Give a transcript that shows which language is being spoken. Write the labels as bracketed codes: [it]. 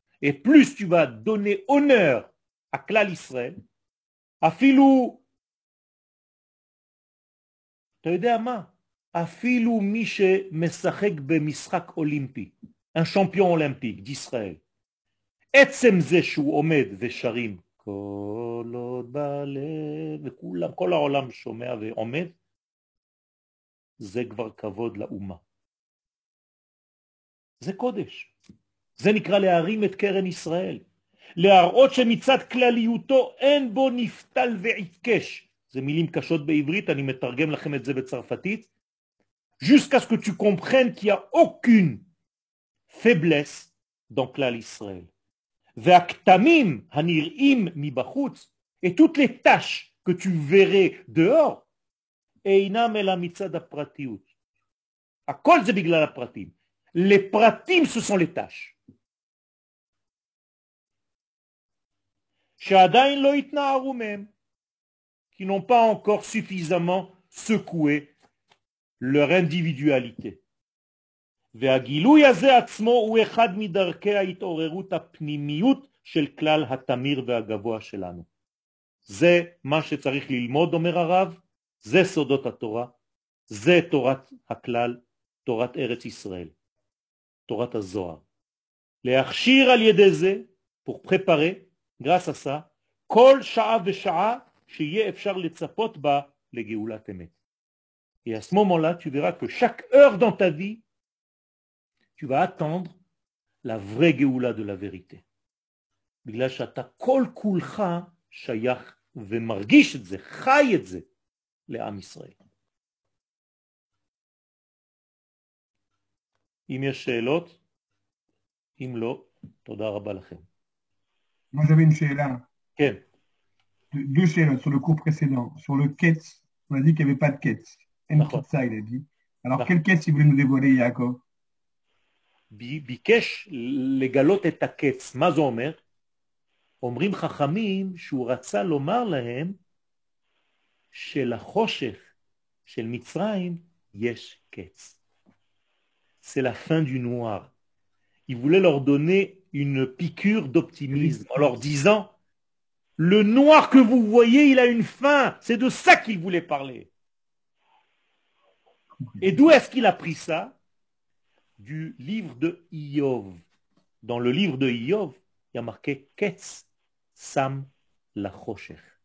[fr] Et plus tu vas donner honneur à klal Israël, afilu, tu sais ma, [he] afilu mi shemeshachek bemishak olympi, [fr] un champion olympique d'Israël. [he] Etzem ze shu omed ve'sharim. כל עוד בלב, וכולם, כל העולם שומע ועומד, זה כבר כבוד לאומה. זה קודש. זה נקרא להרים את קרן ישראל. להראות שמצד כלליותו אין בו נפתל ועיקש. זה מילים קשות בעברית, אני מתרגם לכם את זה בצרפתית. [fr] Jusqu'à ce que tu comprennes qu'il y a aucune faiblesse dans כלל ישראל. [he] והכתמים הנראים מבחוץ, [fr] et toutes les tâches que tu verrais dehors, [he] אינם אלא מצד הפרטיות. הכל זה בגלל הפרטים. [fr] Les pratim, ce sont les tâches. [he] שעדיין לא התנערו מהם, [fr] qui n'ont pas encore suffisamment secoué leur individualité. [he] והגילוי הזה עצמו הוא אחד מדרכי ההתעוררות הפנימיות של כלל התמיר והגבוה שלנו. זה מה שצריך ללמוד, אומר הרב, זה סודות התורה, זה תורת הכלל, תורת ארץ ישראל. תורת הזוהר. להכשיר על ידי זה, [fr] pour préparer, grâce à ça, [he] כל שעה ושעה שיהיה אפשר לצפות בה לגאולת אמת. [fr] Et à ce moment-là, tu verras que chaque heure dans ta vie, tu vas attendre la vraie geoula de la vérité. [he] בגלל שאתה כל כולך שייך ומרגיש את זה, חי את זה לעם ישראל. אם יש שאלות, אם לא, תודה רבה לכם. [fr] Moi j'avais une שאלה. [he] כן. [fr] Deux שאלות, sur le coup précédent, sur le קץ, on a dit qu'il n'y avait pas de קץ. [he] אין קצה, [fr] il a dit. Alors quel קץ il voulait nous dévoiler, Yaakov? [he] ביקש לגלות את הקץ, מה זה אומר? אומרים חכמים שהוא רצה לומר להם שלחושך של מצרים יש קץ. [fr] C'est la fin du noir. Il voulait leur donner une piqûre d'optimisme en leur disant le noir que vous voyez, il a une fin. C'est de ça qu'il voulait parler. Et d'où est-ce qu'il a pris ça? Du livre de Iov. Dans le livre de Iov, il y a marqué Ketz Sam Lachoshech.